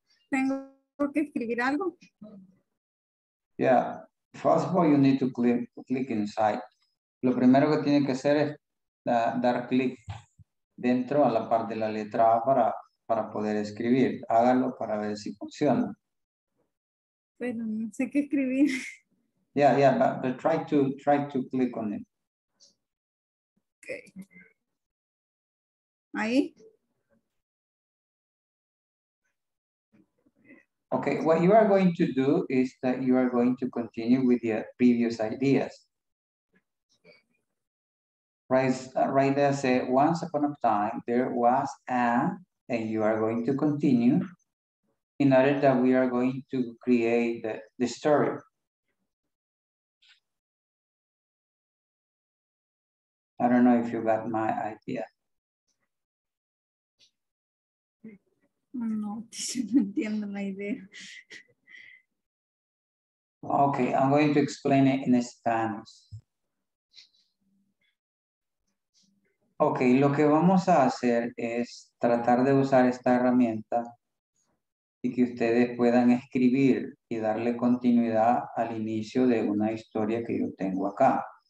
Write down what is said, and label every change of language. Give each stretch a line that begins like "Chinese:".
Spanish: Tengo que escribir algo.
English: Yeah, first of all, you need to click inside.
Spanish: Lo primero que tiene que hacer es dar clic dentro a la parte de la letra A para poder escribir. Hágalo para ver si funciona. Pero no sé qué escribir.
English: Yeah, yeah, but try to click on it. Okay.
Spanish: Ahí.
English: Okay, what you are going to do is that you are going to continue with your previous ideas. Right there, say, once upon a time, there was a, and you are going to continue in order that we are going to create the story. I don't know if you got my idea.
Spanish: No, no entiendo la idea.
English: Okay, I'm going to explain it in Spanish.
Spanish: Ok, lo que vamos a hacer es tratar de usar esta herramienta y que ustedes puedan escribir y darle continuidad al inicio de una historia que yo tengo acá.